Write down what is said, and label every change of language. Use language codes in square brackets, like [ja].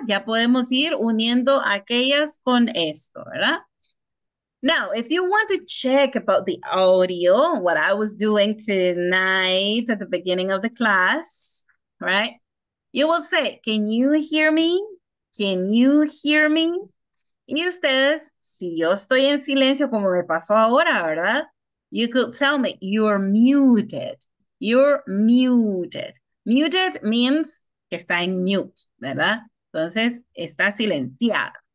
[es] Ya podemos ir uniendo aquellas con esto, ¿verdad? [en] Now, if you want to check about the audio, what I was doing tonight at the beginning of the class, right? You will say, can you hear me? Can you hear me? [es] Y ustedes, si yo estoy en silencio como me pasó ahora, ¿verdad? [en] You could tell me, you're muted. You're muted. Muted means [es] que está en mute, ¿verdad? Entonces, está silenciado.